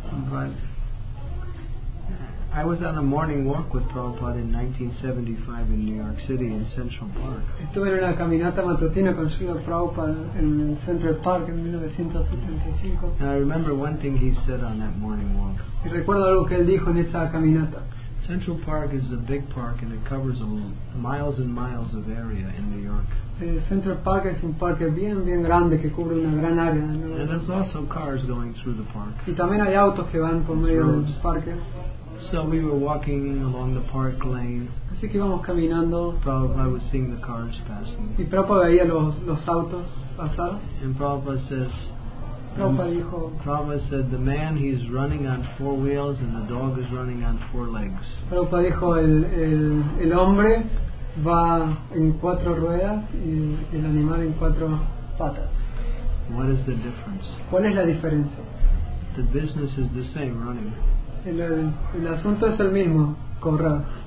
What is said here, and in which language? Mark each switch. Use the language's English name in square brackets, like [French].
[English] But I was on a morning walk with Prabhupada in 1975 in New York City in Central Park. [Spanish] Estuve en una caminata matutina con Srila Prabhupada en Central Park en 1975. [English] I remember one thing he said on that morning walk. [Spanish] Y recuerdo algo que él dijo en esa caminata. [English] Central Park is a big park and it covers miles and miles of area in New York. [Spanish] Central Park es un parque bien bien grande que cubre una gran área. [English] And there's also cars going through the park. [Spanish] Y también hay autos que van por medio del parque. [English] So we were walking along the park lane. [Spanish] Así que íbamos caminando. [English] Prabhupada was seeing the cars passing. [Spanish] Y Prabhupada veía los autos pasar. [English] And Prabhupada says. Prabhupada said, the man, he's running on four wheels and the dog is running on four legs. [Spanish] Prabhupada dijo, el hombre va en cuatro ruedas y el animal en cuatro patas. [English] What is the difference? [Spanish] ¿Cuál es la diferencia? [English] The business is the same, running. [Spanish] El asunto es el mismo, correr.